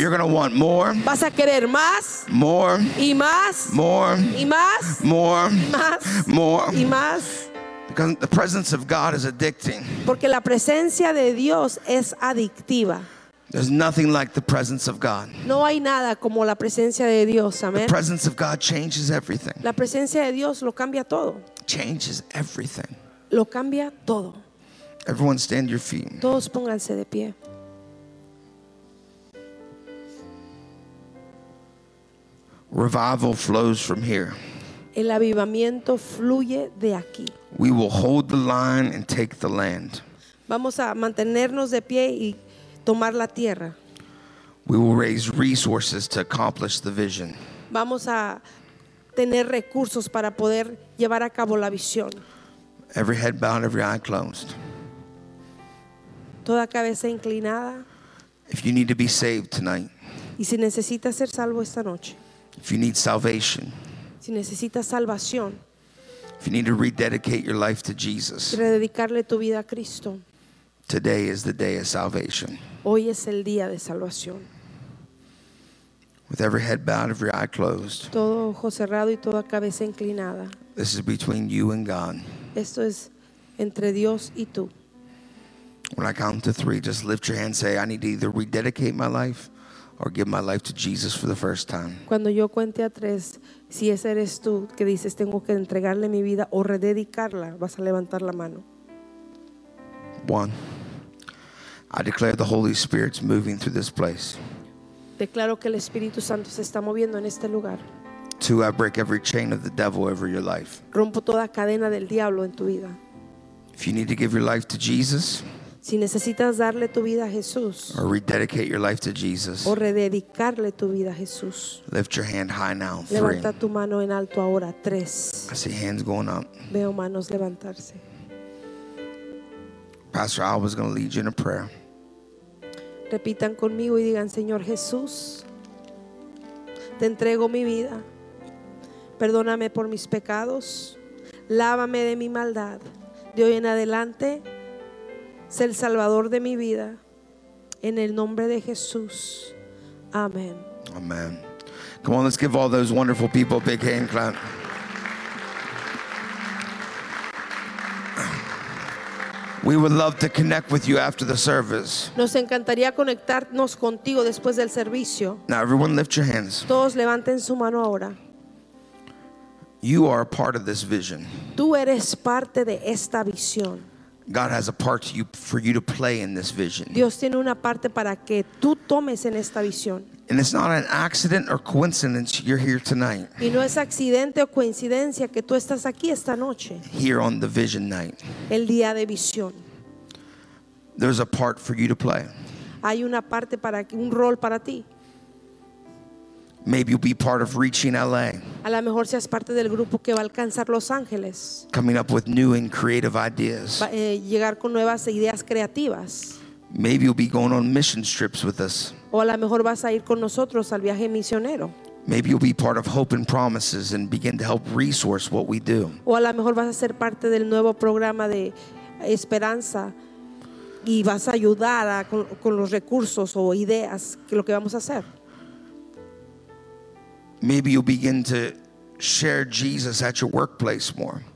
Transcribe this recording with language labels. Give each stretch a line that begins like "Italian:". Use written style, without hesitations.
English: you're going to want more.
Spanish: Vas a querer más.
English: More.
Spanish: Y más.
English: More.
Spanish: Y más.
English: More.
Spanish: Y más.
English: More.
Spanish: Y más.
English: Because the presence of God is addicting.
Spanish: Porque la presencia de Dios es adictiva.
English: There's nothing like the presence of God.
Spanish: No hay nada como la presencia de Dios, amen.
English: The presence of God changes everything.
Spanish: La presencia de Dios lo cambia todo.
English: Changes everything.
Spanish: Lo cambia todo.
English: Everyone stand your feet.
Spanish: Todos pónganse de pie.
English: Revival flows from here.
Spanish: El avivamiento fluye de aquí.
English: We will hold the line and take the land.
Spanish: Vamos a mantenernos de pie y tomar la tierra.
English: We will raise resources to accomplish the vision.
Spanish: Vamos a tener recursos para poder llevar a cabo la visión.
English: Every head bowed, every eye closed.
Spanish: Toda cabeza inclinada.
English: If you need to be saved tonight.
Spanish: Y si necesitas ser salvo esta noche.
English: If you need salvation.
Spanish: Si necesitas salvación.
English: If you need to rededicate your life to Jesus.
Spanish: Rededicarle tu vida a Cristo.
English: Today is the day of salvation.
Spanish: Hoy es el día de salvación.
English: With every head bowed, every eye closed.
Spanish: Todo ojo cerrado y toda cabeza inclinada.
English: This is between you and God.
Spanish: Esto es entre Dios y tú.
English: When I count to three, just lift your hand and say, I need to either rededicate my life or give my life to Jesus for the first time.
Spanish: Cuando yo cuente a tres, si ese eres tú que dices, tengo que entregarle mi vida o rededicarla, vas a levantar la mano.
English: One. I declare the Holy Spirit's moving through this place.
Spanish: Declaro que el Espíritu Santo se está moviendo en este lugar.
English: Two, I break every chain of the devil over your life.
Spanish: Rompo toda cadena del diablo en tu vida.
English: If you need to give your life to Jesus,
Spanish: Si necesitas darle tu vida a Jesús,
English: or rededicate your life to Jesus,
Spanish: o rededicarle tu vida a Jesús,
English: lift your hand high now.
Spanish: Levanta tu mano en alto ahora. Tres.
English: I see hands going up.
Spanish: Veo manos levantarse.
English: Pastor Al was going to lead you in a prayer.
Spanish: Repitan conmigo y digan: Señor Jesús, te entrego mi vida. Perdóname por mis pecados. Lávame de mi maldad. De hoy en adelante, sé el salvador de mi vida. En el nombre de Jesús. Amén. Amén.
English: Come on, let's give all those wonderful people a big hand clap. We would love to connect with you after the service.
Spanish: Nos encantaría conectarnos contigo después del servicio.
English: Now everyone lift your hands.
Spanish: Todos levanten su mano ahora.
English: You are a part of this vision.
Spanish: Tú eres parte de esta visión.
English: God has a part to you, for you to play in this vision.
Spanish: Dios tiene una parte para que tú tomes en esta visión.
English: And it's not an accident or coincidence you're here tonight.
Spanish: Y no es accidente o coincidencia que tú estás aquí esta noche.
English: Here on the vision night.
Spanish: El día de visión.
English: There's a part for you to play.
Spanish: Hay una parte para un rol para ti.
English: Maybe you'll be part of reaching LA.
Spanish: A lo mejor seas parte del grupo que va a alcanzar Los Ángeles.
English: Coming up with new and creative ideas.
Spanish: Llegar con nuevas ideas creativas.
English: Maybe you'll be going on mission trips with us.
Spanish: O a lo mejor vas a ir con nosotros al viaje misionero.
English: Maybe you'll be part of Hope and Promises and begin to help resource what we do.
Spanish: O a lo mejor vas a ser parte del nuevo programa de Esperanza y vas a ayudar a, con los recursos o ideas que lo que vamos a hacer.
English: Maybe you'll begin to share Jesus at your workplace more.